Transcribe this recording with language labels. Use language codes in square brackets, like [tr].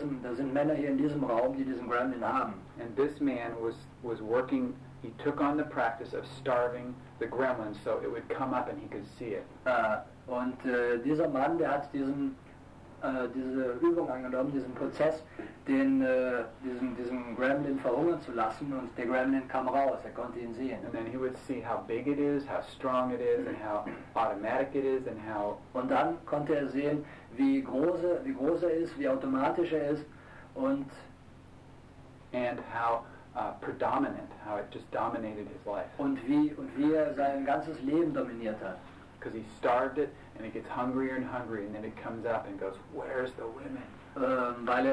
[de] Da sind Männer hier in diesem Raum, die diesen Gremlin haben. [en] And this man was working, he took on the practice of starving the gremlin so it would come up and he could see it. [de] Dieser Mann, der hat diese Übung angenommen, diesen Prozess, diesen Gremlin verhungern zu lassen, und der Gremlin kam raus, er konnte ihn sehen. [en] And then he would see how big it is, how strong it is, and how automatic it is, and how. [de] Und dann konnte er sehen, wie groß er ist, wie automatisch er ist, und. [en] And how predominant, how it just dominated his life. [de] Und wie er sein ganzes Leben dominiert hat. [en] Because he starved it, and it gets hungrier and hungrier, and then it comes up and goes, "Where's the women?"